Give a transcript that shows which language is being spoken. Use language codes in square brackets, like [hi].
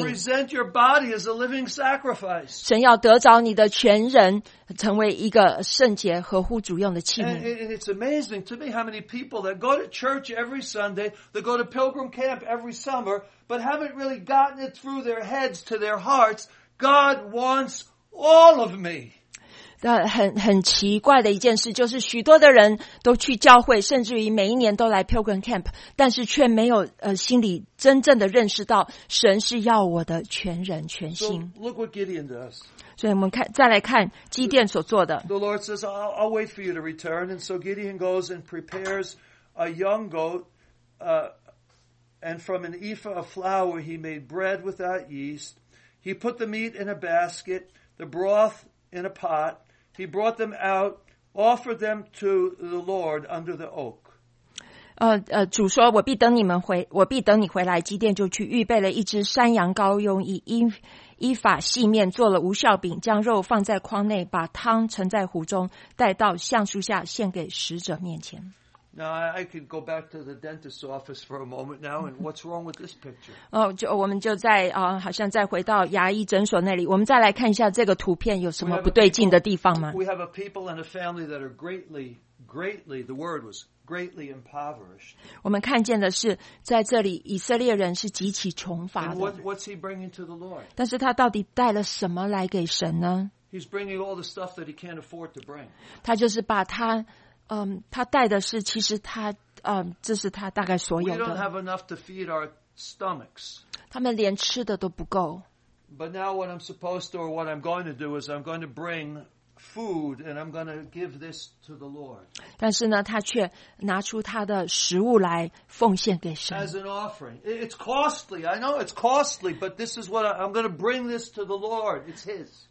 [en] He wants to present your body as a living sacrifice. [zh] 神要得着你的全人，成为一个圣洁合乎主用的器皿。 [en] And it's amazing to me how many people that go to church every Sunday, that go to pilgrim camp every summer, but haven't really gotten it through their heads to their hearts. God wants all of me. [zh] 很奇怪的一件事，就是许多的人都去教会，甚至于每一年都来 Pilgrim Camp， 但是却没有心里真正的认识到神是要我的全人全心。 [en] So, look what Gideon does. [zh] 所以我们看，再来看基甸所做的。 [en] The Lord says, I'll wait for you to return. And so Gideon goes and prepares a young goat, and from an ephah of flour he made bread without yeast. He put the meat in a basket, the broth in a pot. He brought them out, offered them to the Lord under the oak. [zh] 主说，我必等你回来。基甸就去预备了一只山羊羔，用以法细面做了无酵饼，将肉放在筐内，把汤盛在壶中，带到橡树下献给使者面前。 [en] Now I could go back to the dentist's office for a moment now, and what's wrong with this picture? [zh] 我们就在好像再回到牙医诊所那里，我们再来看一下这个图片有什么不对劲的地方吗？ [en] We have a people and a family that are greatly, greatly. The word was greatly impoverished. [zh] 我们看见的是在这里以色列人是极其穷乏的。 [en] What's he bringing to the Lord? [zh] 但是他到底带了什么来给神呢？ [en] He's bringing all the stuff that he can't afford to bring. [zh] 他就是把他他带的是，其实他这是他大概所有的。 [en] We don't have enough to feed our stomachs. [zh] 他们连吃的都不够。 [en] But now what I'm supposed to, or what I'm going to do, is I'm going to bring food and I'm going to give this to the Lord. [zh] 但是呢，他却拿出他的食物来奉献给神。 [en] As an offering, it's costly. I know it's costly, but this is what I'm going to bring this to the Lord. It's His.